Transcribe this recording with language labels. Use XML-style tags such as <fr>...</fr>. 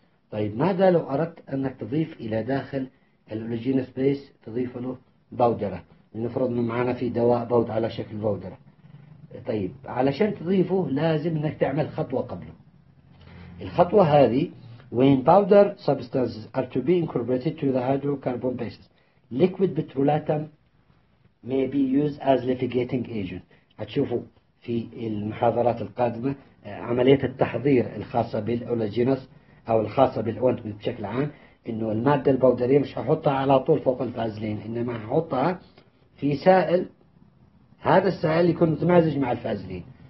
<ar>طيب ماذا لو اردت انك تضيف الى داخل الاوليجينال سبيس، تضيف له بودره، لنفرض انه معانا في دواء بودر على شكل بودره. طيب علشان تضيفه لازم انك تعمل خطوه قبله. الخطوه هذه</ar> <en>when powder substances are to be incorporated to the hydrocarbon bases, liquid petrolatum may be used as litigating agent.</en> <ar>هتشوفوا في المحاضرات القادمة عملية التحضير الخاصة بالأولوجينس أو الخاصة بالأونت بشكل عام، إنه المادة البودرية مش هحطها على طول فوق الفازلين، إنما هحطها في سائل، هذا السائل يكون متمازج مع الفازلين.</ar>